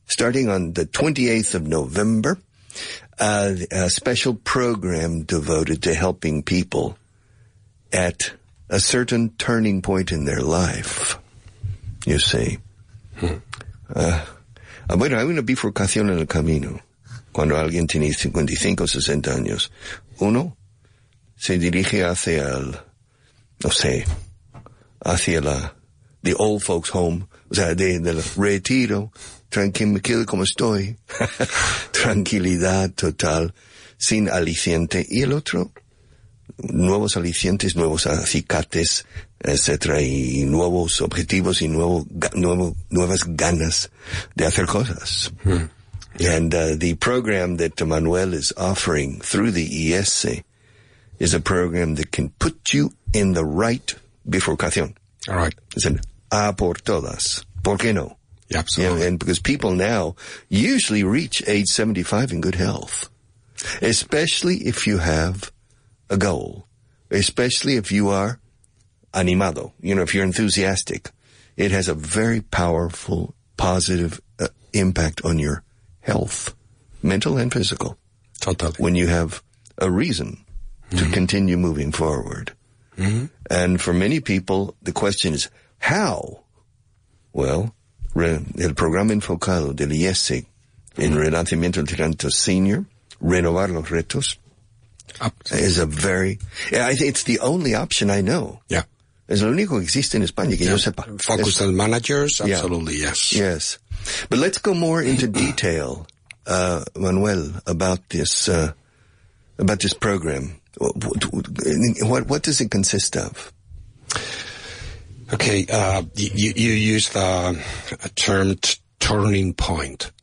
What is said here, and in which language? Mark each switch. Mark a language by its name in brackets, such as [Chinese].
[English] Starting on the 28th of November, a special program devoted to helping people at a certain turning point in their life, you see. [Spanish] Bueno, hay una bifurcación en el camino. Cuando alguien tiene 55 o 60 años, uno se dirige hacia el, no sé, hacia la, [English] the old folks home, [Spanish] o sea, del retiro, tranquilo, me quedo como estoy, tranquilidad total, sin aliciente, y el otro, nuevos alicientes, nuevos acicates, etcétera, y nuevos objetivos y nuevas ganas de hacer cosas. Mm. [English] And the program that Manuel is offering through the IESE is a program that can put you in the right bifurcación. All right. It's an [Spanish] a por todas. ¿Por qué no? [English] Yeah, absolutely. Yeah, and because people now usually reach age 75 in good health, especially if you have a goal, especially if you are animado, you know, if you're enthusiastic. It has a very powerful, positive impact on your health, mental and physical. Totally. When you have a reason mm-hmm. to continue moving forward. Mm-hmm. And for many people, the question is, how? [Spanish] Well, el programa enfocado del IESE en Relanzamiento de Talento Senior, Renovar los Retos, [English] is a very, it's the only option I know. Yeah. [Spanish] Es lo único que existe en España, que yo sepa. [English] Focus on managers, absolutely, yes. Yes. But let's go more into detail, Manuel, about this program. What does it consist of? Okay, you use the term turning point.